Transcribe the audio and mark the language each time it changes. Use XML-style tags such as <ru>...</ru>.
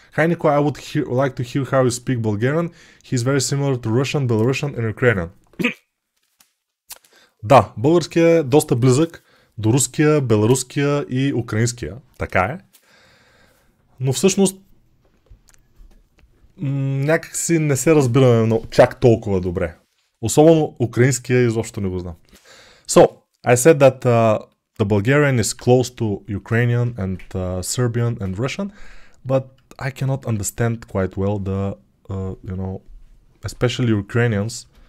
<en>Хайнико, I would like to hear how you speak Bulgarian. He's very similar to Russian, Belarusian and Ukrainian.</en> <bg>Да, българският е доста близък до руския, беларуския и украинския. Така е. Но всъщност някак си не се разбираме но чак толкова добре. Особено украинския изобщо не го знам.</bg> <en>So, I said that the Bulgarian is close to Ukrainian and Serbian and Russian, but I cannot understand quite well the, you know, especially Ukrainians.</en>